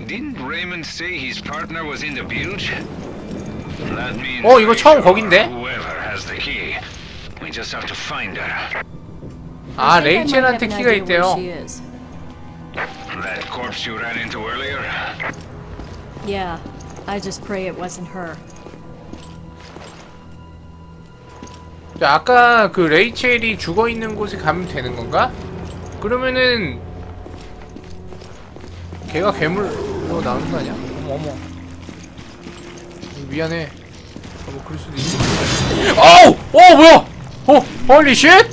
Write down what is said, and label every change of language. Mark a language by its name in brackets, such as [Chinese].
[English] Didn't Raymond say his partner was in the bilge? That means. [Korean] 어, 이거 처음 거긴데? [English] Whoever has the key, we just have to find her. [Korean] 아, 레이첼한테 키가 있대요. [English] That corpse you ran into earlier. Yeah, I just pray it wasn't her. [Korean] 자, 아까 그 레이첼이 죽어 있는 곳에 가면 되는 건가? 그러면은. 걔가 괴물 어 나오는 거 아니야? 어머 어머 미안해. 어, 뭐 그럴 수도 있어. 아우! 어 뭐야! 어! 홀리 쉣!